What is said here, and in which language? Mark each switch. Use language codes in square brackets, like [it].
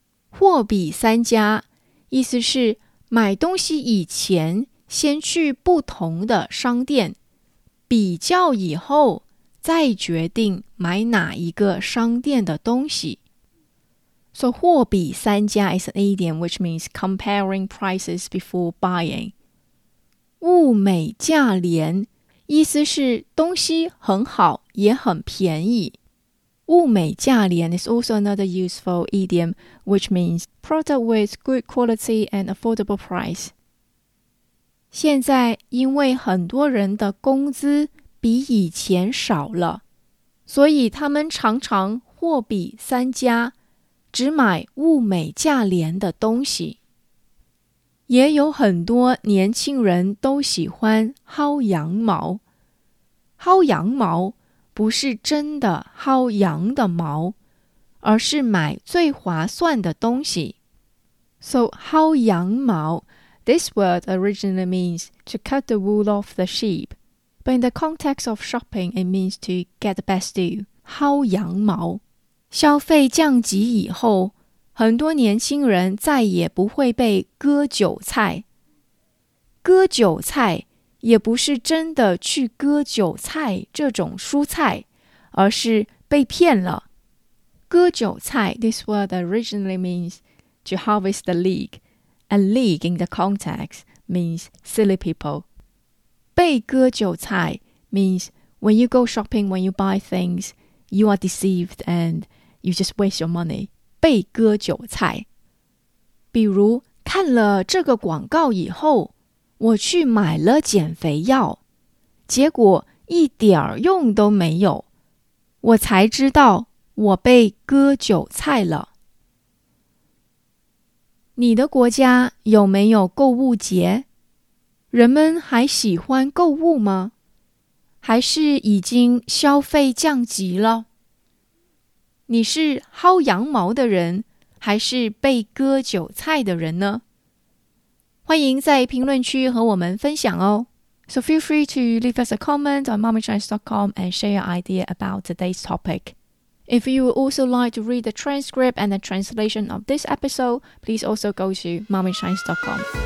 [zh] 货比三家意思是买东西以前先去不同的商店，比较以后再决定买哪一个商店的东西。 [en] So, 货比三家 is an idiom which means comparing prices before buying. [zh] 物美价廉意思是东西很好也很便宜。 [en] 物美价廉 is also another useful idiom which means product with good quality and affordable price. [zh] 现在因为很多人的工资比以前少了，所以他们常常货比三家，只买物美价廉的东西。也有很多年轻人都喜欢薅羊毛。薅羊毛不是真的薅羊的毛，而是买最划算的东西。 [en] So, 薅羊毛, this word originally means to cut the wool off the sheep. But in the context of shopping, it means to get the best deal. [zh] 薅羊毛。消费降级以后，很多年轻人再也不会被割韭菜。割韭菜也不是真的去割韭菜这种蔬菜，而是被骗了。 [en] 割韭菜 this word originally means to harvest the leek. And leek in the context means silly people. 被割韭菜 means when you go shopping, when you buy things, you are deceived and you just waste your money. [zh] 被割韭菜，比如看了这个广告以后，我去买了减肥药，结果一点儿用都没有，我才知道我被割韭菜了。你的国家有没有购物节？人们还喜欢购物吗？还是已经消费降级了？你是薅羊毛的人，还是被割韭菜的人呢？欢迎在评论区和我们分享哦。 [en] So feel free to leave us a comment on mommychinese.com and share your idea about today's topic. If you would also like to read the transcript and the translation of this episode, please also go to mommychinese.com.